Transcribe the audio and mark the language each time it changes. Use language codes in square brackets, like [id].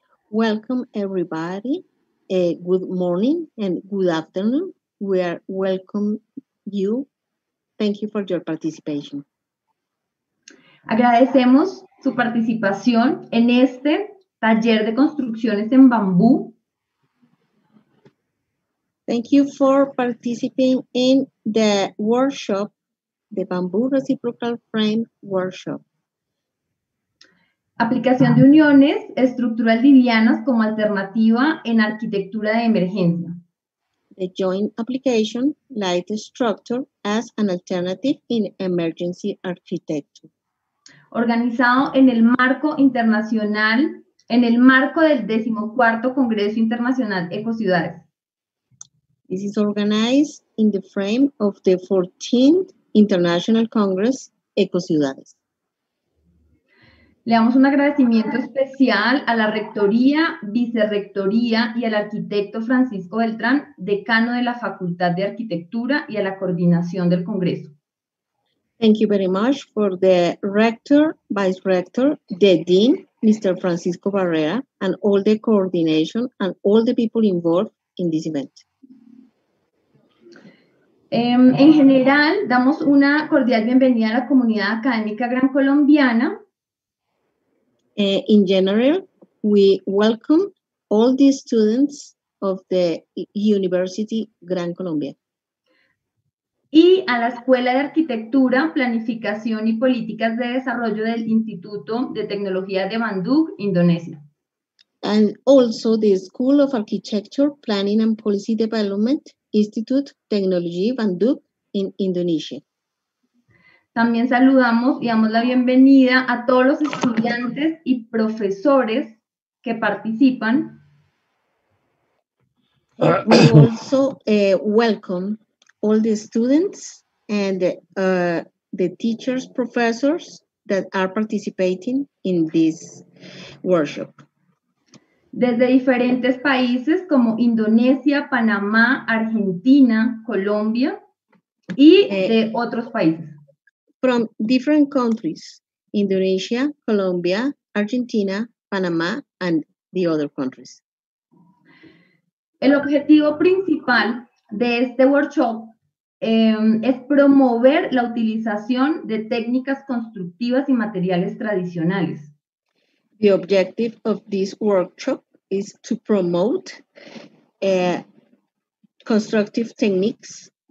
[en] Welcome everybody. Good morning and good afternoon. We are welcome you. Thank you for your participation. [es] Agradecemos su participación en este taller de construcciones en bambú. [en] Thank you for participating in the workshop, the Bamboo Reciprocal Frame Workshop. [es] Aplicación de uniones estructurales livianas como alternativa en arquitectura de emergencia. [en] The joint application, light structure as an alternative in emergency architecture. [es] Organizado en el marco internacional, en el marco del 14th Congreso Internacional Ecociudades. [en] This is organized in the frame of the 14th International Congress Ecociudades. [es] Le damos un agradecimiento especial a la rectoría, vicerrectoría y al arquitecto Francisco Beltrán, decano de la Facultad de Arquitectura y a la coordinación del Congreso. [en] Thank you very much for the rector, vice rector, the dean, Mr. Francisco Barrera, and all the coordination and all the people involved in this event. [es] En general, damos una cordial bienvenida a la comunidad académica gran colombiana. [en] In general, we welcome all the students of the University Gran Colombia. [es] Y a la Escuela de Arquitectura, Planificación y Políticas de Desarrollo del Instituto de Tecnología de Bandung, Indonesia. [en] And also the School of Architecture, Planning and Policy Development, Institute Technology Bandung in Indonesia. [es] También saludamos y damos la bienvenida a todos los estudiantes y profesores que participan. [en] We also welcome all the students and the teachers, professors that are participating in this workshop. [es] Desde diferentes países como Indonesia, Panamá, Argentina, Colombia y de otros países. [en] From different countries, Indonesia, Colombia, Argentina, Panamá and the other countries. [es] El objetivo principal de este workshop es promover la utilización de técnicas constructivas y materiales tradicionales. [en] The objective of this workshop is to promote constructive techniques.